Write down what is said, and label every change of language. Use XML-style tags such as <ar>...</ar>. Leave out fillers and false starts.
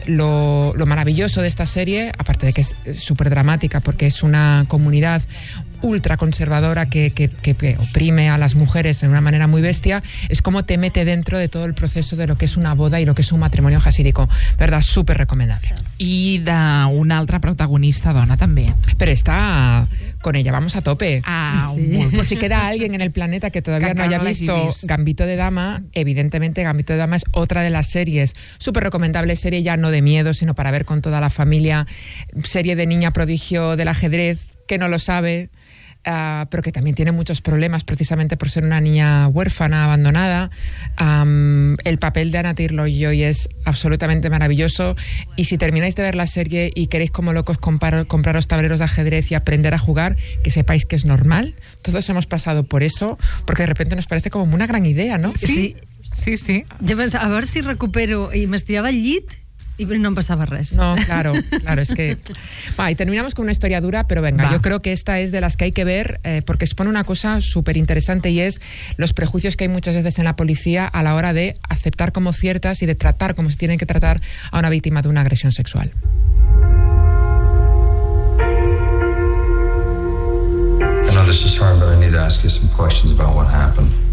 <es>Lo maravilloso de esta serie, aparte de que es súper dramática porque es una comunidad ultraconservadora que oprime a las mujeres de una manera muy bestia, es como te mete dentro de todo el proceso de lo que es una boda y lo que es un matrimonio hasídico. Verdad, súper recomendable.</es> <ca>I d'una altra protagonista dona també. Però està</ca> <es>con ella, vamos a tope. Ah, sí. Por si queda alguien en el planeta que todavía que no haya visto Gambito de Dama, evidentemente Gambito de Dama es otra de las series, súper recomendable, serie ya no de miedo, sino para ver con toda la familia, serie de niña prodigio del ajedrez, que no lo sabe, pero que también tiene muchos problemas precisamente por ser una niña huérfana, abandonada. El papel de Anya Taylor-Joy es absolutamente maravilloso, y si termináis de ver la serie y queréis como locos compraros tableros de ajedrez y aprender a jugar, que sepáis que es normal. Todos hemos pasado por eso, porque de repente nos parece como una gran idea, ¿no? Sí. Yo pensaba, a ver si recupero, y me estiraba el llit. Y no pasaba res. No, claro, es que... Va, y terminamos con una historia dura, pero venga, yo creo que esta es de las que hay que ver, porque expone una cosa súper interesante, y es los prejuicios que hay muchas veces en la policía a la hora de aceptar como ciertas y de tratar como se tienen que tratar a una víctima de una agresión sexual.</es> <en>I know this is hard, but I need to ask you some questions about what happened.</en>